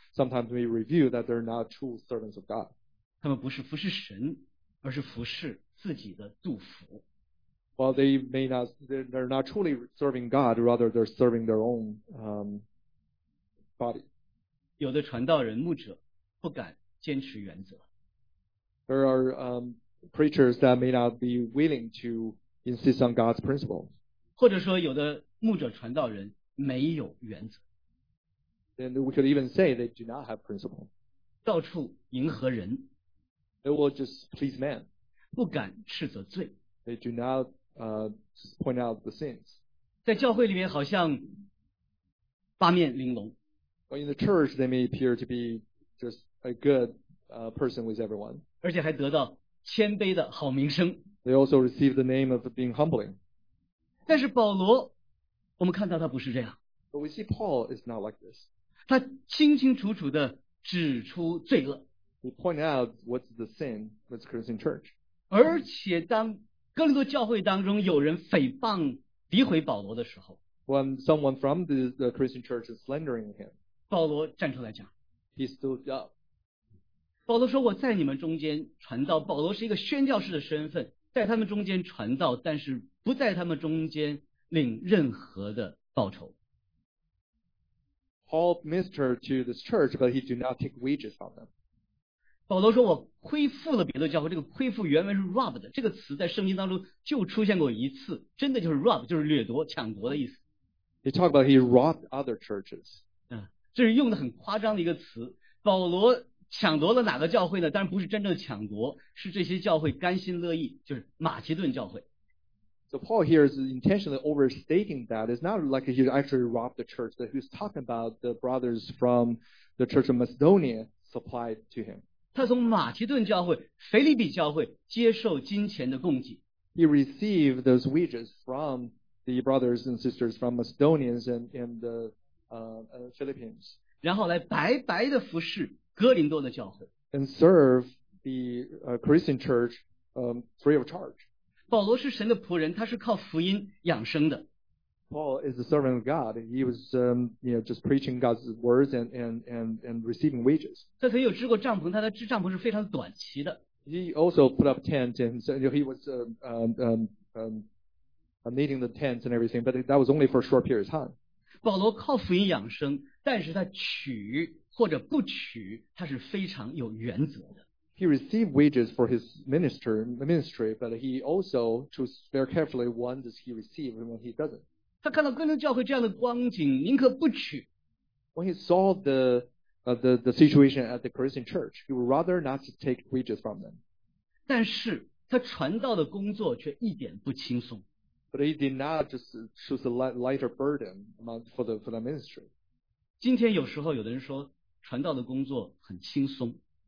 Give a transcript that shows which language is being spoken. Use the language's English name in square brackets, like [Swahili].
[English] Sometimes we review that they're not true servants of God. [Chinese] 他们不是服侍神，而是服侍自己的祝福。 [English] Well, they may not, they're not truly serving God, rather they're serving their own, body. [Chinese] 有的传道人牧者不敢坚持原则。 [English] There are, preachers that may not be willing to insist on God's principles. [Chinese] 或者说有的牧者传道人没有原则。 [English] Then we could even say they do not have principle. [Chinese] 到处迎合人。 [English] They will just please man. [Chinese] 不敢斥责罪。 [English] They do not, point out the sins. [Chinese] 在教会里面好像八面玲珑。 [English] But in the church, they may appear to be just a good, person with everyone. [Chinese] 而且还得到谦卑的好名声。 [English] They also receive the name of being humbling. [Chinese] 但是保罗，我们看到他不是这样。 [English] But we see Paul is not like this. [Chinese] 他清清楚楚地指出罪恶。 [English] He pointed out what's the sin with the Christian church. [Chinese] 而且当哥林多教会当中有人诽谤诋毁保罗的时候， [English] when someone from the Christian church is slandering him, [Chinese] 保罗站出来讲， [English] he stood up. [Chinese] 保罗说我在你们中间传道，保罗是一个宣教士的身份，在他们中间传道，但是不在他们中间领任何的报酬。 [English] Paul ministered to this church, but he did not take wages from them. [Chinese] 保罗说我恢复了别的教会，这个恢复原文是 rob 的，这个词在圣经当中就出现过一次，真的就是 rob, 就是掠夺、抢夺的意思。 [English] He talked about he robbed other churches. [Chinese] 这是用的很夸张的一个词，保罗抢夺了哪个教会呢？当然不是真正的抢夺，是这些教会甘心乐意，就是马其顿教会。 [English] So Paul here is intentionally overstating that. It's not like he actually robbed the church, but he's talking about the brothers from the church of Macedonia supplied to him. [Chinese] 他从马其顿教会、腓立比教会接受金钱的供给。 [English] He received those wages from the brothers and sisters from Macedonians and the Philippines. [Chinese] 然后来白白的服侍哥林多的教会。 [English] And serve the Christian church, free of charge. [Chinese] 保罗是神的仆人，他是靠福音养生的。 [English] Paul is the servant of God. He was, just preaching God's words and receiving wages. [Chinese] 他曾有支过帐篷，他的支帐篷是非常短期的。 [English] He also put up tents and so he was needing the tents and everything, but that was only for a short period of time. [Chinese] 保罗靠福音养生，但是他取或者不取，他是非常有原则的。 [English] He received wages for his ministry, but he also chose very carefully when does he receive and when he doesn't. [Chinese] 他看到哥林多教会这样的光景，宁可不取。 [English] When he saw the situation at the Corinthian church, he would rather not to take wages from them. [Chinese] 但是他传道的工作却一点不轻松。 [English] But he did not just choose a lighter burden for the ministry. [Chinese] 今天有时候有的人说传道的工作很轻松。